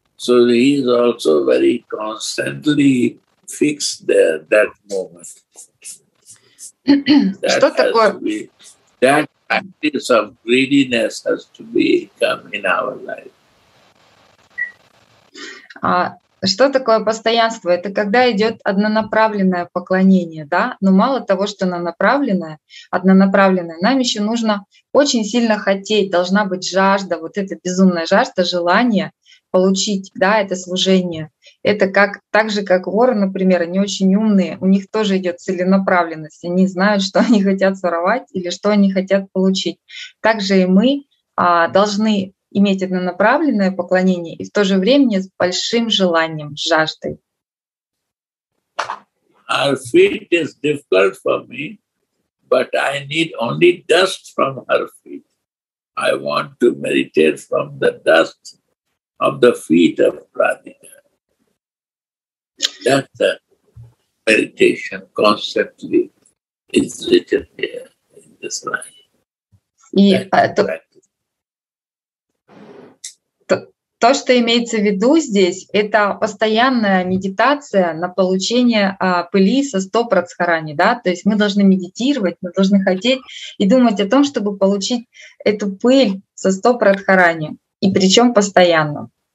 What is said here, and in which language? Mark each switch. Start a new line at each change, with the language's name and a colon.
English: So he is also very constantly fixed there, that moment. That practice of greediness has to become in our life.
Russian: Что такое постоянство? Это когда идет однонаправленное поклонение, да? Но мало того, что однонаправленное, нам еще нужно очень сильно хотеть, должна быть жажда, вот эта безумная жажда, желание получить, да, это служение. Это как, так же, как воры, например, они очень умные, у них тоже идет целенаправленность, они знают, что они хотят своровать или что они хотят получить. Также и мы должны иметь однонаправленное поклонение и в то же время с большим желанием, с жаждой.
English: Her feet is difficult for me, but I need only dust from her feet. I want to meditate from the dust of the feet of Radhika. That's the meditation constantly is written here in this line.
Russian: То, что имеется в виду здесь, это постоянная медитация на получение пыли со стоп Радхарани, да? То есть мы должны медитировать, мы должны хотеть и думать о том, чтобы получить эту пыль со стоп Радхарани, и причем постоянно.